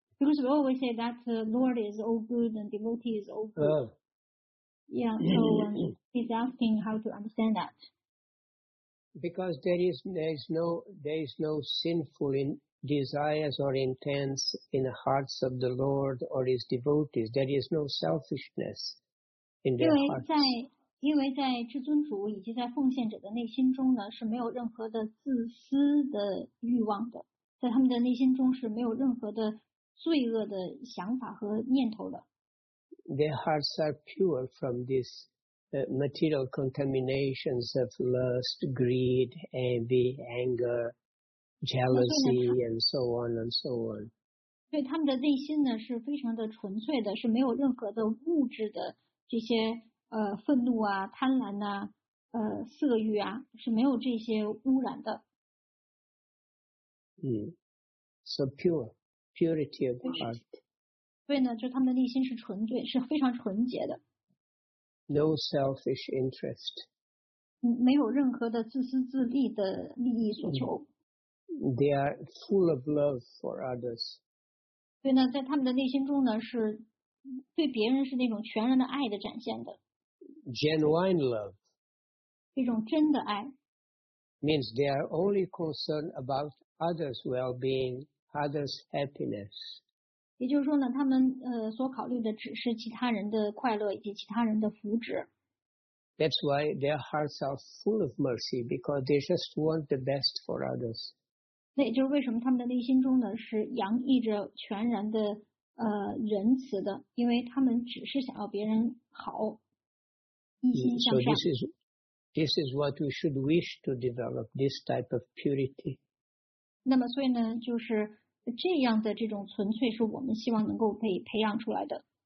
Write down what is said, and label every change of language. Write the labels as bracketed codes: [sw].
[en] Because we always say that the Lord is all good and devotee is all good. He's asking how to understand that. Because there is no sinful in desires or intents in the hearts of the Lord or his devotees. There is no selfishness in their hearts. [zh] 因为在至尊主以及在奉献者的内心中呢，是没有任何的自私的欲望的，在他们的内心中是没有任何的。罪恶的想法和念头的。 [en] Their hearts are pure from this material contaminations of lust, greed, envy, anger, jealousy, and so on and so on. [zh] 对他们的内心呢是非常的纯粹的，是没有任何的物质的这些愤怒啊、贪婪呐、色欲啊，是没有这些污染的。 [en] So pure. Purity of heart. [zh] 对呢，就他们的内心是纯粹，是非常纯洁的。 [en] No selfish interest. [zh] 没有任何的自私自利的利益所求。 [en] They are full of love for others. [zh] 对呢，在他们的内心中呢，是对别人是那种全然的爱的展现的。 [en] Genuine love. [zh] 一种真的爱。 [en] Means they are only concerned about others' well-being. Others happiness. [zh] 也就是说呢，他们所考虑的只是其他人的快乐以及其他人的福祉。 [en] That's why their hearts are full of mercy because they just want the best for others. [zh] 那也就是为什么他们的内心中呢是洋溢着全然的仁慈的，因为他们只是想要别人好，一心向善。 [en] So this is what we should wish to develop this type of purity. [zh] 那么所以呢就是这样的这种纯粹是我们希望能够被培养出来的。